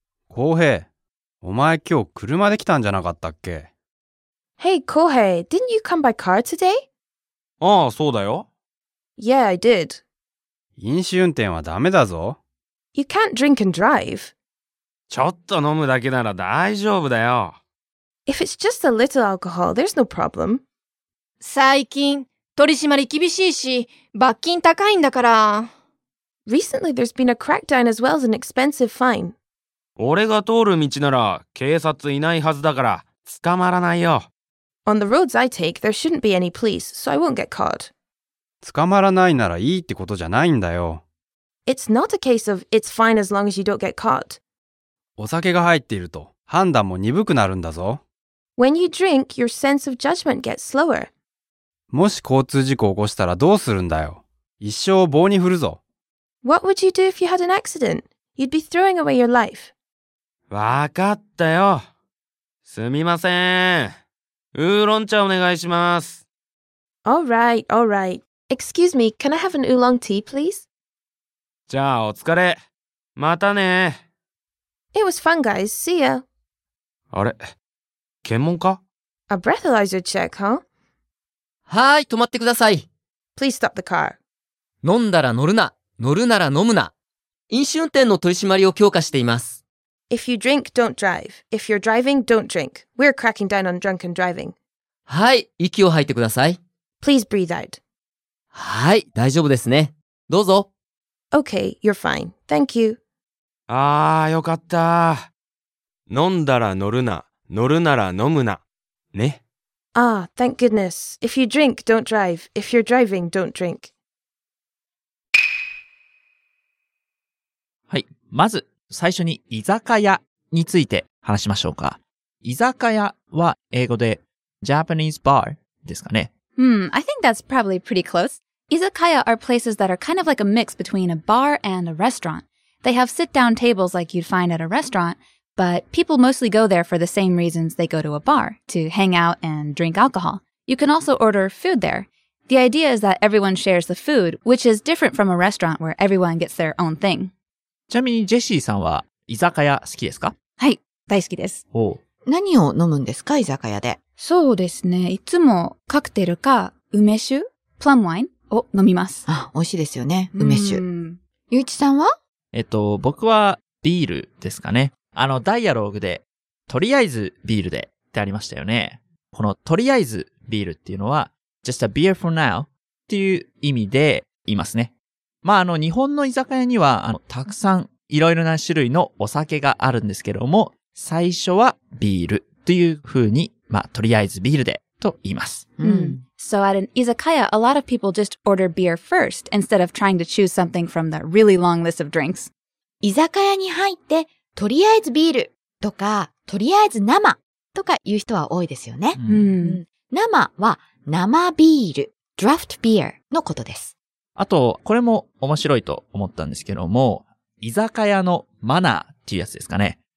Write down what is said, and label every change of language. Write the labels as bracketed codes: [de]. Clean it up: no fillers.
[ja] コウヘイ、お前今日車で来たんじゃなかったっけ? [en] Hey, コウヘイ、didn't you come by car today? [ja] ああ、そうだよ。 [en] Yeah, I did. [ja] 飲酒運転はダメだぞ。 [en] You can't drink and drive. [ja] ちょっと飲むだけなら大丈夫だよ。 [en] If it's just a little alcohol, there's no problem. [ja] 最近、取り締まり厳しいし、罰金高いんだから。 [en] Recently, there's been a crackdown as well as an expensive fine. [ja] 俺が通る道なら警察いないはずだから捕まらないよ。 [en] On the roads I take, there shouldn't be any police, so I won't get caught. [ja] 捕まらないならいいってことじゃないんだよ。 [en] It's not a case of it's fine as long as you don't get caught. [ja] お酒が入っていると判断も鈍くなるんだぞ。 [en] When you drink, your sense of judgment gets slower. [ja] もし交通事故を起こしたらどうするんだよ。一生棒に振るぞ。 [en] What would you do if you had an accident? You'd be throwing away your life. [ja] わかったよ。すみません。ウーロン茶お願いします。 [en] All right, all right. Excuse me, can I have an oolong tea, please? [ja] じゃあ、お疲れ。またね。 [en] It was fun, guys. See ya. [ja] あれ、検問か? [en] A breathalyzer check, huh? [ja] はい、止まってください。 [en] Please stop the car. [ja] 飲んだら乗るな。乗るなら飲むな。飲酒運転の取り締まりを強化しています。 [en] If you drink, don't drive. If you're driving, don't drink. We're cracking down on drunken driving. [ja] はい、息を吐いてください。 [en] Please breathe out. [ja] はい、大丈夫ですね。どうぞ。 [en] Okay, you're fine. Thank you. [ja] あー、よかった。飲んだら乗るな。乗るなら飲むな。ね。 [en] Ah, thank goodness. If you drink, don't drive. If you're driving, don't drink. [ja] はい、まず最初に居酒屋について話しましょうか。居酒屋は英語で [en] Japanese bar [ja] ですかね。 [en] I think that's probably pretty close. Izakaya are places that are kind of like a mix between a bar and a restaurant. They have sit-down tables like you'd find at a restaurant, but people mostly go there for the same reasons they go to a bar, to hang out and drink alcohol. You can also order food there. The idea is that everyone shares the food, which is different from a restaurant where everyone gets their own thing. [ja] ちなみにジェシーさんは居酒屋好きですか? はい、大好きです。お、何を飲むんですか、居酒屋で? そうですね、いつもカクテルか梅酒、プラムワインを飲みます。あ、美味しいですよね、梅酒。ゆういちさんは? 僕はビールですかね。あの、ダイアログで、とりあえずビールでってありましたよね。このとりあえずビールっていうのは、 [en] just a beer for now [ja] っていう意味で言いますね。まあ、あの、日本の居酒屋には、あの、たくさんいろいろな種類のお酒があるんですけども、最初はビールという風に、まあ、とりあえずビールでと言います。 [en] So at an 居酒屋, a lot of people just order beer first instead of trying to choose something from the really long list of drinks. [ja] 居酒屋に入って、とりあえずビールとか、とりあえず生とか言う人は多いですよね。生は生ビール、draft beer のことです。あと、これも面白いと思ったんですけども、居酒屋のマナーっていうやつですかね。